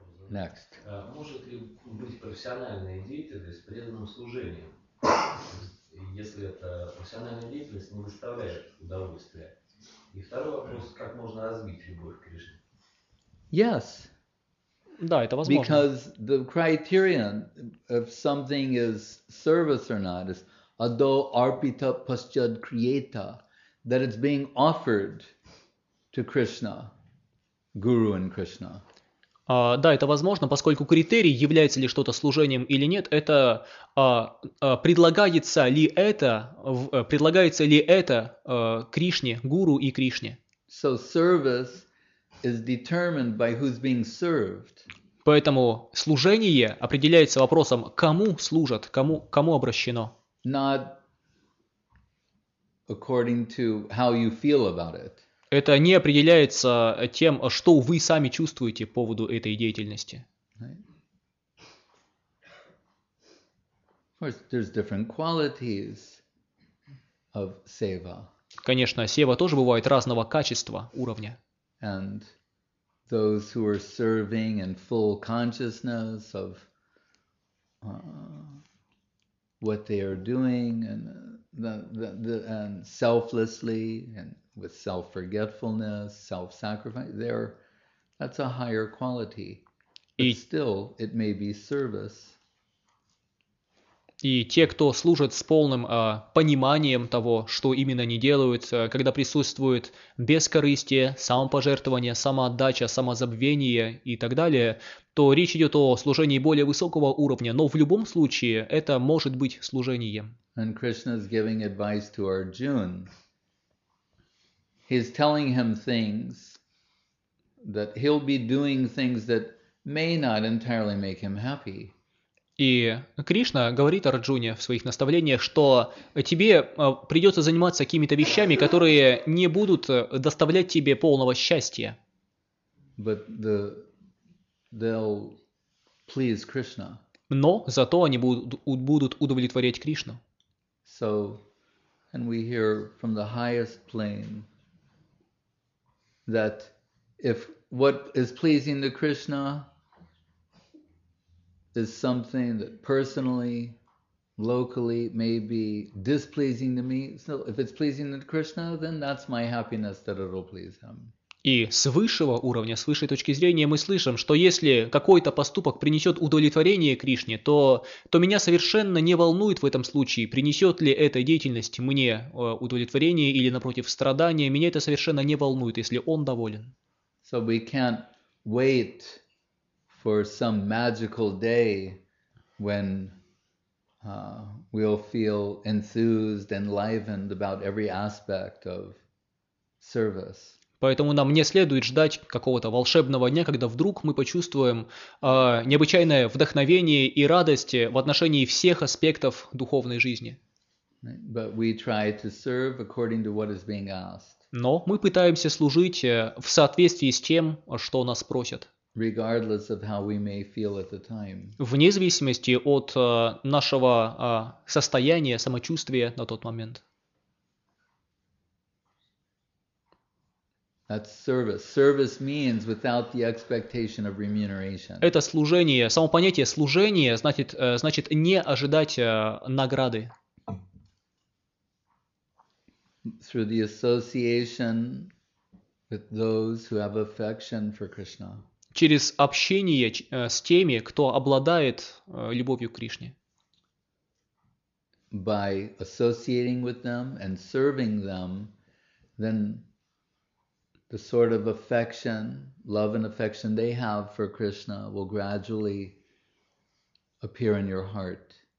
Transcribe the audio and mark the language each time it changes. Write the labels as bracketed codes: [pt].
[en] Next. [ru] Может ли быть профессиональная деятельность преданным служением? Если это профессиональная деятельность, не доставляет удовольствия. И второй вопрос, как можно развить любовь к Кришне? [en] Yes. [ru] Да, это возможно. [en] Because the criterion if something is service or not is [sa] ado arpita paschad kriyata, [en] that it's being offered to Krishna, Guru and Krishna. [ru] Да, это возможно, поскольку критерий, является ли что-то служением или нет, это предлагается ли это Кришне, Гуру и Кришне. [en] So service is determined by who's being served. [ru] Поэтому служение определяется вопросом, кому служат, кому обращено. [en] Not according to how you feel about it. [ru] Это не определяется тем, что вы сами чувствуете по поводу этой деятельности. [en] Right. Of course, there's different qualities of seva. [ru] Конечно, сева тоже бывает разного качества, уровня. [en] And those who are serving in full consciousness of what they are doing and and selflessly and with self-forgetfulness, self-sacrifice, there, that's a higher quality. But still, it may be service. [ru] И те, кто служат с полным пониманием того, что именно они делают, когда присутствует бескорыстие, самопожертвование, самоотдача, самозабвение и так далее, то речь идет о служении более высокого уровня. Но в любом случае это может быть служением. [en] And Krishna is giving advice to Arjuna. He's telling him things that he'll be doing things that may not entirely make him happy. [ru] И Кришна говорит Арджуне в своих наставлениях, что тебе придется заниматься какими-то вещами, которые не будут доставлять тебе полного счастья. [en] But they'll please Krishna. [ru] Но зато они будут удовлетворять Кришну. [en] So, and we hear from the highest plane that if what is pleasing to Krishna is something that personally, locally, may be displeasing to me. So if it's pleasing to Krishna, then that's my happiness that it'll please him. [ru] И с высшего уровня, с высшей точки зрения мы слышим, что если какой-то поступок принесет удовлетворение Кришне, то меня совершенно не волнует в этом случае, принесет ли эта деятельность мне удовлетворение или, напротив, страдание. Меня это совершенно не волнует, если он доволен. [en] So we can't wait for some magical day when we'll feel enthused, enlivened about every aspect of service. [ru] Поэтому нам не следует ждать какого-то волшебного дня, когда вдруг мы почувствуем необычайное вдохновение и радость в отношении всех аспектов духовной жизни. [en] But we try to serve according to what is being asked. [ru] Но мы пытаемся служить в соответствии с тем, что нас просят. [en] Regardless of how we may feel at the time. [ru] Вне зависимости от нашего состояния, самочувствия на тот момент. [en] That's service. Service means without the expectation of remuneration. [ru] Это служение, само понятие служение значит не ожидать награды. [en] Through the association with those who have affection for Krishna. [ru] Через общение с теми, кто обладает любовью к Кришне. [en] By associating with them and serving them, then the sort of affection, love and affection they have for Krishna will gradually appear in your heart.